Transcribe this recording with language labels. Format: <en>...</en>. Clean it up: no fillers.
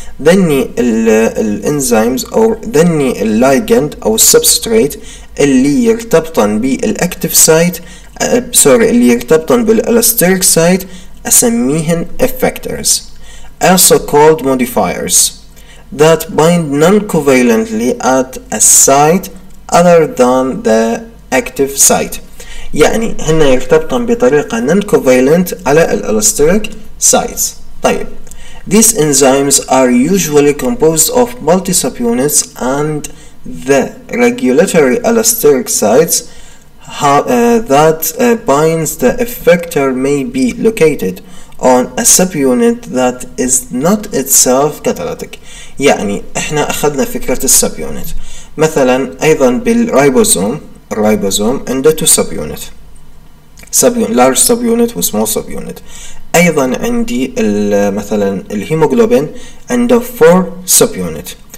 <ar>ذني الإنزيمز أو ذني الليجند أو substrate اللي يرتبطن بالactive site اللي يرتبطن بالallosteric site أسميهن effectors.</ar> <en>Also called modifiers that bind non-covalently at a site other than the active site.</en> <ar>يعني هنا يرتبطن بطريقة non-covalent على الالستيريك sites.</ar> <en>طيب these enzymes are usually composed of multi-subunits and the regulatory allosteric sites that binds the effector may be located on a subunit that is not itself catalytic.</en> <ar>يعني احنا اخذنا فكرة السبيونت. مثلا ايضا بالرايبوزوم، الرايبوزوم عنده 2 subunit.</ar> <en>Large subunit</en> <ar>و small subunit. ايضا عندي مثلا الهيموغلوبين عنده 4 subunit.</ar>